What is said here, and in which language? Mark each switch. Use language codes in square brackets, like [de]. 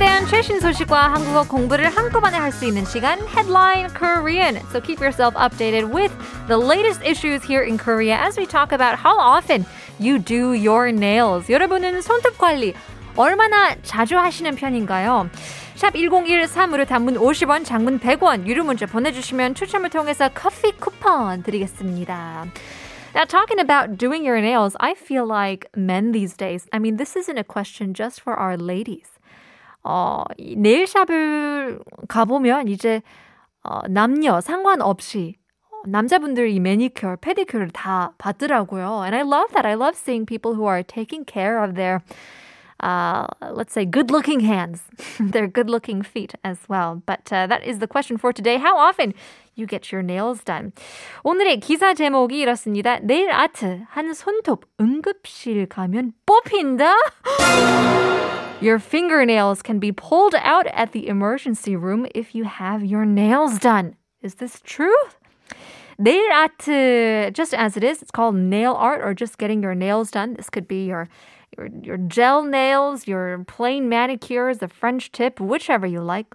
[ko] 최신 소식과 한국어 공부를 한꺼번에 할 수 있는 시간, Headline Korean. [en] So keep yourself updated with the latest issues here in Korea as we talk about how often you do your nails. [ko] 여러분은 손톱 관리 얼마나 자주 하시는 편인가요? 샵 1013으로 단문 50원, 장문 100원, 유료 문자 보내주시면 추첨을 통해서 커피 쿠폰 드리겠습니다. [en] Now, talking about doing your nails, I feel like men these days, I mean, this isn't a question just for our ladies. [ko] 네일샵을 가보면 이제 남녀 상관없이 남자분들이 매니큐어, 페디큐어를 다 받더라고요. [en] And I love that. I love seeing people who are taking care of their, let's say, good-looking hands, their good-looking feet as well. But that is the question for today. How often you get your nails done? [ko] 오늘의 기사 제목이 이렇습니다. 네일 아트 한 손톱 응급실 가면 뽑힌다. [en] Your fingernails can be pulled out at the emergency room if you have your nails done. Is this true? 네일 아트, just as it is, it's called nail art or just getting your nails done. This could be your gel nails, your plain manicures, the French tip, whichever you like.